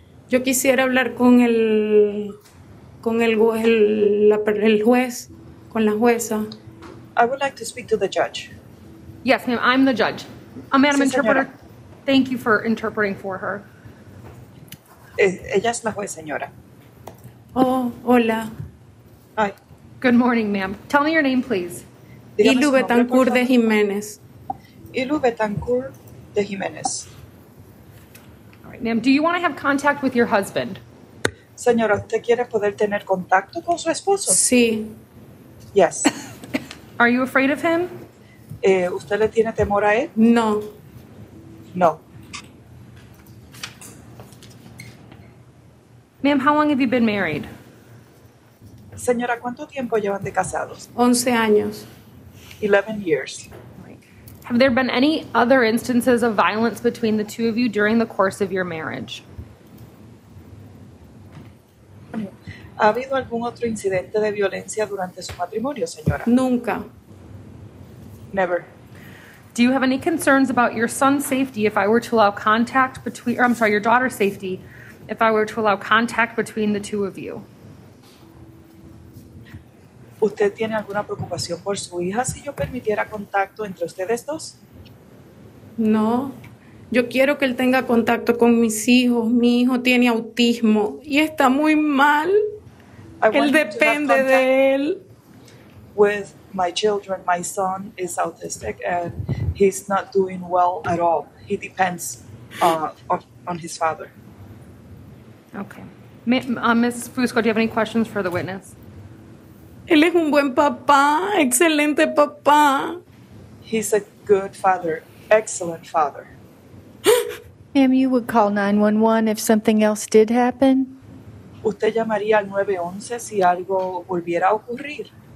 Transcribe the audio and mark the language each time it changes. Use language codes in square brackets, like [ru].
[es] Yo quisiera hablar con el juez, con la jueza. [en] I would like to speak to the judge. Yes, ma'am, I'm the judge. Madam Interpreter, [es] señora. [en] Thank you for interpreting for her. [es] Ella es la juez, señora. Oh, hola. [en] Hi. Good morning, ma'am. Tell me your name, please. Ilu Betancourt de Jimenez. Ilu Betancourt de Jimenez. All right, ma'am. Do you want to have contact with your husband? [es] Señora, ¿usted quiere poder tener contacto con su esposo? Sí. [en] Yes. Are you afraid of him? [es] ¿Usted le tiene temor a él? No. [en] No. Ma'am, how long have you been married? [es] Señora, ¿cuánto tiempo llevan de casados? 11 años. [en] 11 years. Have there been any other instances of violence between the two of you during the course of your marriage? [es] ¿Ha habido algún otro incidente de violencia durante su matrimonio, señora? Nunca. [en] Never. Do you have any concerns about your son's safety if I were to allow contact between, or I'm sorry, your daughter's safety? If I were to allow contact between the two of you. [es] ¿Usted tiene alguna preocupación por su hija si yo permitiera contacto entre ustedes dos? No. Yo quiero que él tenga contacto con mis hijos. Mi hijo tiene autismo y está muy mal. Él depende de él. [en] With my children, my son is autistic and he's not doing well at all. He depends on his father. Okay. Ms. Fusco, do you have any questions for the witness? [es] Él es un buen papá, excelente papá. [en] He's a good father, excellent father. Ma'am, you would call 911 if something else did happen? [es] ¿Usted llamaría al 911 si algo volviera a ocurrir?